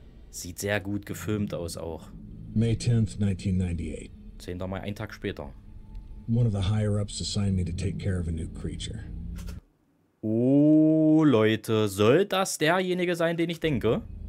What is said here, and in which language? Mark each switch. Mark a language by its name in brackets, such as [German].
[German] Sieht sehr gut gefilmt aus auch. [English] May 10th, 1998. [German] 10. Mai, einen Tag später. [English] One of the higher ups assigned me to take care of a new creature. [German] Oh, Leute, soll das derjenige sein, den ich denke?